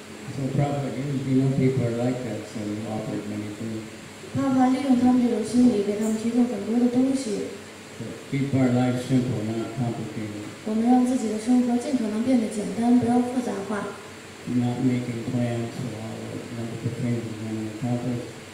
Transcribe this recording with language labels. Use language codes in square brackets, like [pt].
[en] So Prabhupada, you know people are like that, so you offered many things. [zh] 爸爸利用他们这种心理，给他们提供很多的东西。 [en] Keep our life simple, not complicated. [zh] 我们让自己的生活尽可能变得简单，不要复杂化。 [en] Not making plans for all the wonderful things we're going to accomplish.